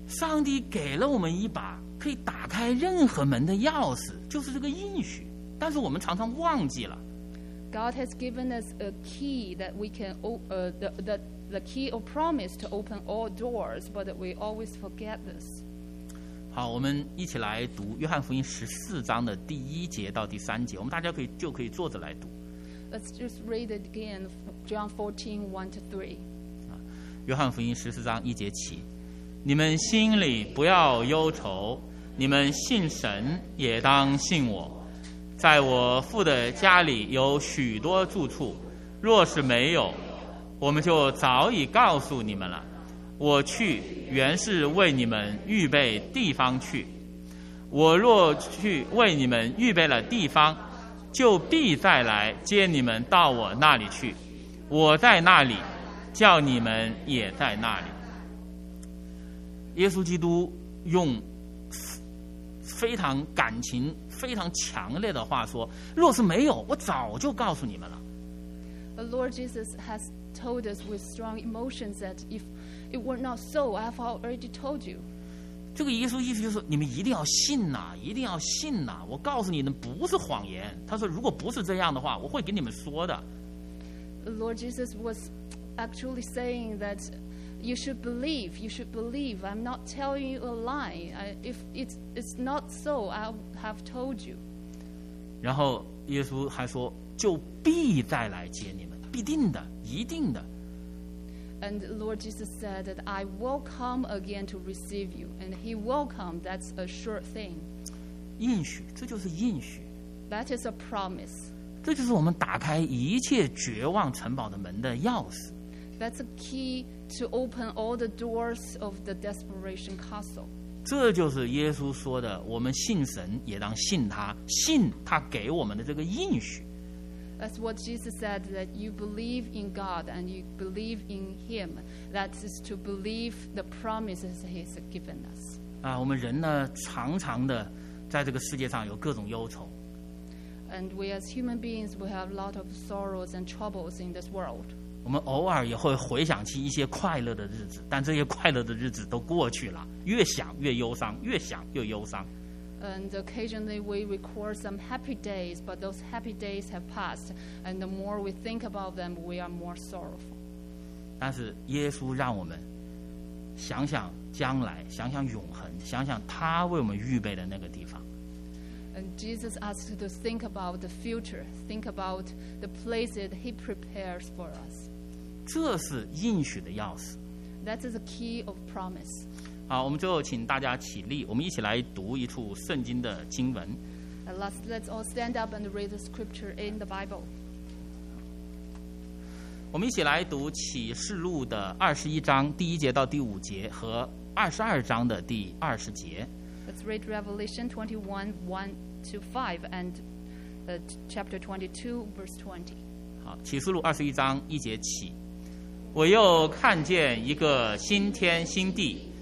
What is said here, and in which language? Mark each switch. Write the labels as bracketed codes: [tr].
[zh] 上帝给了我们一把可以打开任何门的钥匙，就是这个应许。但是我们常常忘记了。 [en] God has given us a key that we can the key of promise to open all doors, but we always forget this. [zh] 好，我们一起来读约翰福音十四章的第一节到第三节，我们大家可以坐着来读。 [en] Let's just read it again, John 14:1-3. [zh] 约翰福音十四章一节起，你们心里不要忧愁，你们信神也当信我，在我父的家里有许多住处，若是没有，我们就早已告诉你们了。我去原是为你们预备地方去，我若去为你们预备了地方，就必再来接你们到我那里去，我在那里，叫你们也在那里。耶稣基督用非常感情非常强烈的话说，若是没有，我早就告诉你们了。 [en] Lord Jesus has told us with strong emotions that ifIt were not so, I have already told you. [zh] 这个耶稣意思就是你们一定要信呐、啊，一定要信呐、啊！我告诉你们，不是谎言。他说，如果不是这样的话，我会给你们说的。 [en] Lord Jesus was actually saying that you should believe. You should believe. I'm not telling you a lie. If it's not so, I have told you. [zh] 然后耶稣还说，就必再来接你们，必定的，一定的。 [en] And Lord Jesus said that I will come again to receive you, and He will come. That's a sure thing. [zh] 应许，这就是应许。 [en] That is a promise. [zh] 这就是我们打开一切绝望城堡的门的钥匙。 [en] That's a key to open all the doors of the desperation castle. [zh] 这就是耶稣说的，我们信神也当信他，信他给我们的这个应许。 [en] That's what Jesus said, that you believe in God and you believe in Him. That is to believe the promises He's given us. [zh] 啊，我们人呢，常常的在这个世界上有各种忧愁。 [en] And we as human beings, we have a lot of sorrows and troubles in this world. [zh] 我们偶尔也会回想起一些快乐的日子，但这些快乐的日子都过去了，越想越忧伤，越想越忧伤。 [en] And occasionally we record some happy days, but those happy days have passed, and the more we think about them, we are more sorrowful. [zh] 但是耶稣让我们想想将来，想想永恒，想想他为我们预备的那个地方。 [en] And Jesus asked to think about the future, think about the places he prepares for us. [zh] 这是应许的钥匙。 [en] That is the key of promise. [zh] 好，我们最后请大家起立，我们一起来读一处圣经的经文。 [en] Let's all stand up and read the scripture in the Bible. [zh] 我们一起来读启示录的21章第一节到第五节和22章的第20节。 [en] Let's read Revelation 21:1-5 and chapter 22 verse 20. [zh] 好，启示录21章一节起，我又看见一个新天新地。